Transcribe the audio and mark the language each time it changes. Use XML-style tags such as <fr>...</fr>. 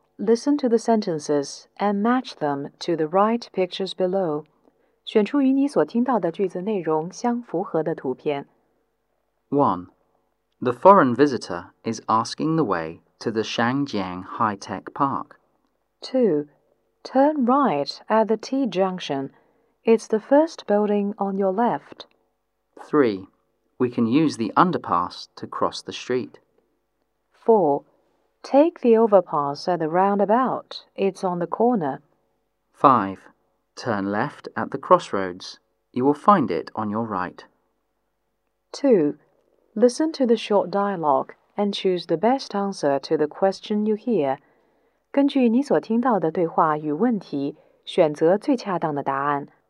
<en>Listen to the sentences and match them to the right pictures below.</en> <zh>选出与你所听到的句子内容相符合的图片。</zh> <en>1. The foreign visitor is asking the way to the Shangjiang High-Tech Park. 2. Turn right at the T junction. It's the first building on your left. 3. We can use the underpass to cross the street. 4. Take the overpass at the roundabout. It's on the corner. 5. Turn left at the crossroads. You will find it on your right. 2. Listen to the short dialogue and choose the best answer to the question you hear.</en> <zh>根据你所听到的对话与问题，选择最恰当的答案。</zh>